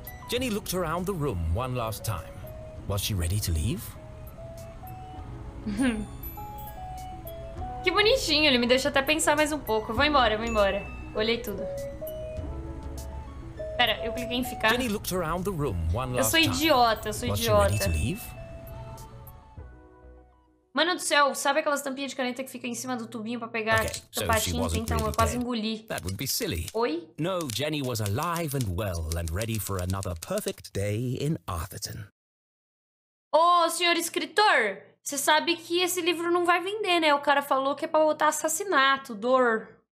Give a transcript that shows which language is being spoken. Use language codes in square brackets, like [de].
[en] Jenny looked around the room one last time. Was she ready to leave? [pt] Que bonitinho, ele me deixa até pensar mais um pouco. Vou embora, vou embora. Olhei tudo. Pera, eu cliquei em ficar. [en] Jenny looked around the room one last time. [pt] Eu sou idiota, eu sou idiota. [en] Was she ready to leave? [pt] Mano do céu, sabe aquelas tampinhas de caneta que fica em cima do tubinho pra pegar okay, a patinha? [en] So [pt] então, eu quase engoli. [en] That would be silly. [pt] Oi? [en] No, Jenny was alive and well and ready for another perfect day in Atherton. [pt] Ô, senhor escritor, você sabe que esse livro não vai vender, né? O cara falou que é pra botar assassinato, dor.